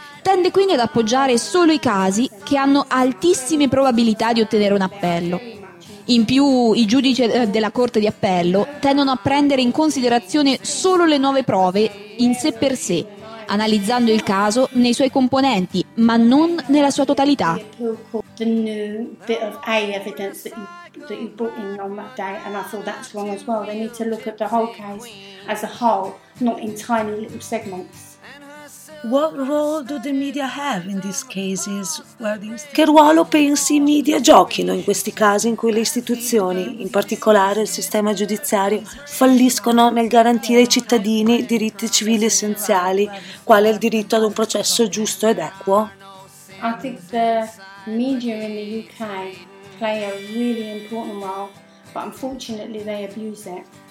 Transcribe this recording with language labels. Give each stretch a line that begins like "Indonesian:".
Italian: Tende quindi ad appoggiare solo i casi che hanno altissime probabilità di ottenere un appello. In più, i giudici della corte di appello tendono a prendere in considerazione solo le nuove prove in sé per sé, analizzando il caso nei suoi componenti, ma non nella sua totalità.
English: That you brought in on that day, and I thought that's wrong as well. They need to look at the whole case as a whole, not in tiny little segments. What role do the media have in these cases?
Italian: Che ruolo pensi i media giochino in questi casi in cui le istituzioni, in particolare il sistema giudiziario, falliscono nel garantire ai cittadini diritti civili essenziali, quale il diritto ad un processo giusto ed equo?
English: I think the media in the UK play a really important role, but unfortunately they abuse it.